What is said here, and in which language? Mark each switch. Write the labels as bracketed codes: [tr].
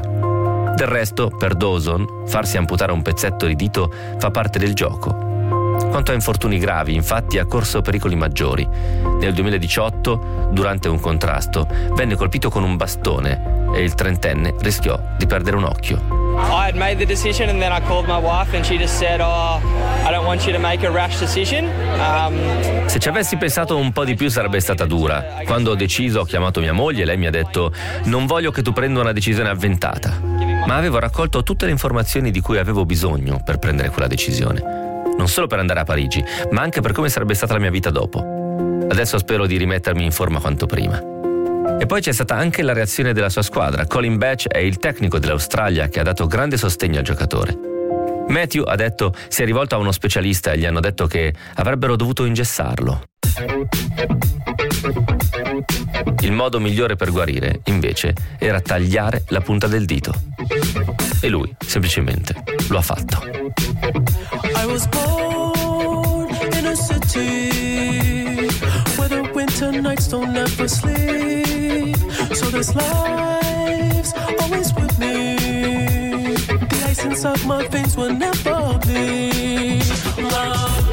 [it] Del resto, per Dawson, farsi amputare un pezzetto di dito fa parte del gioco. Quanto a infortuni gravi, infatti, ha corso pericoli maggiori. Nel 2018, durante un contrasto, venne colpito con un bastone e il trentenne rischiò di perdere un occhio. [en] I had made the decision and then I called my wife and she just said, "Oh, I don't want you to make a rash decision." [it] Se ci avessi pensato un po' di più sarebbe stata dura. Quando ho deciso, ho chiamato mia moglie e lei mi ha detto: "Non voglio che tu prenda una decisione avventata." Ma avevo raccolto tutte le informazioni di cui avevo bisogno per prendere quella decisione. Non solo per andare a Parigi, ma anche per come sarebbe stata la mia vita dopo. Adesso spero di rimettermi in forma quanto prima. E poi c'è stata anche la reazione della sua squadra. Colin Batch è il tecnico dell'Australia che ha dato grande sostegno al giocatore. Matthew ha detto, si è rivolto a uno specialista e gli hanno detto che avrebbero dovuto ingessarlo. Il modo migliore per guarire, invece, era tagliare la punta del dito. E lui, semplicemente, lo ha fatto. [en] I was born in a city where the winter nights don't ever sleep. So this life's always with me. The ice inside my veins will never be love.